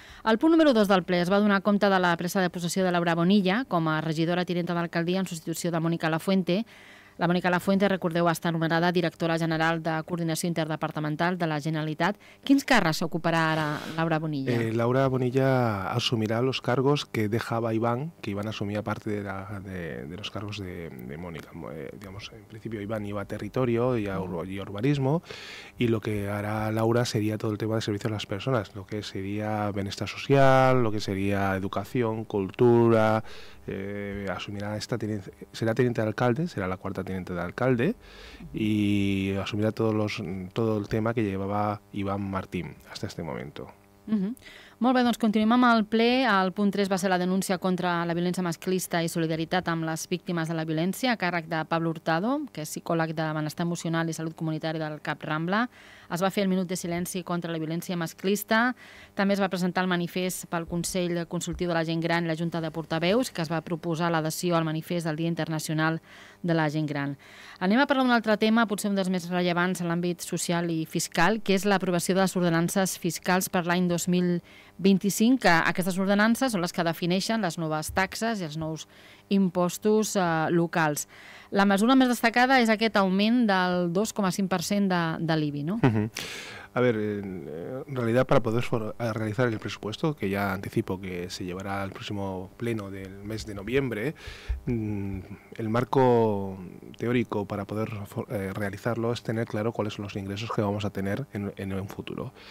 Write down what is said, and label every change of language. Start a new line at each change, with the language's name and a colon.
Catalan: El punt número 2 del ple es va donar compte de la presa de possessió de Laura Bonilla com a regidora tinenta d'alcaldia en substitució de Mònica Lafuente. La Mònica Lafuente, recordeu, està anomenada directora general de coordinació interdepartamental de la Generalitat. Quins càrrecs ocuparà ara Laura Bonilla? Laura Bonilla assumirà els cargos que deixava Ivan, que Ivan assumia part de
Spanish: los cargos
Catalan: de Mònica.
Spanish: Digamos,
Catalan: en principi
Spanish: Ivan iba a territorio y a urbanismo, y lo que hará Laura sería todo el tema de servicios a las personas, lo que sería
Catalan: benestar social,
Spanish: lo que sería educación, cultura... asumirá esta tenencia, será teniente de alcalde, será la cuarta teniente de alcalde, y asumirá todo el tema que llevaba Iván Martín hasta este momento. Uh-huh.
Catalan: Molt bé, doncs continuem amb el ple. El punt 3 va ser la denúncia contra la violència masclista i solidaritat amb les víctimes de la violència a càrrec de Pablo Hurtado, que és psicòleg de benestar emocional i salut comunitari del CAP Rambla. Es va fer el minut de silenci contra la violència masclista. També es va presentar el manifest pel Consell Consultiu de la Gent Gran i la Junta de Portaveus, que es va proposar l'adhesió al manifest del Dia Internacional de la Gent Gran. Anem a parlar d'un altre tema, potser un dels més rellevants en l'àmbit social i fiscal, que és l'aprovació de les ordenances fiscals per l'any 2025, que aquestes ordenances són les que defineixen les noves taxes i els nous impostos locals. La mesura més destacada és aquest augment del 2,5% de l'IBI, no?
Spanish: A ver, en realidad para poder realizar el presupuesto, que ya anticipo que se llevará al próximo pleno del mes de noviembre, el marco teórico para poder realizarlo es tener claro cuáles son los ingresos que vamos a tener en un futuro.